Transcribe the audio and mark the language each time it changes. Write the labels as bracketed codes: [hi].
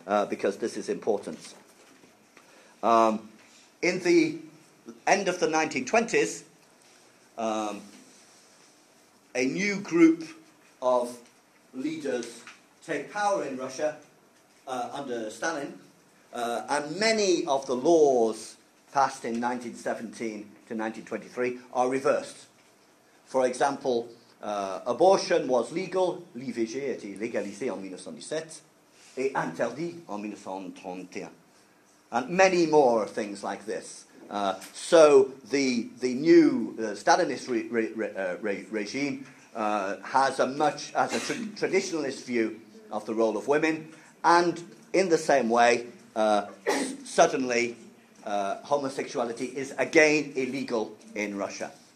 [en] Because this is important. In the end of the 1920s, a new group of leaders take power in Russia under Stalin, and many of the laws passed in 1917 to 1923 are reversed. For example, abortion was legal, [fr] l'IVG était légalisé en 1917, et interdit en 1931. [en] And many more things like this. So the new Stalinist regime has a traditionalist view of the role of women, and in the same way, suddenly homosexuality is again illegal in Russia.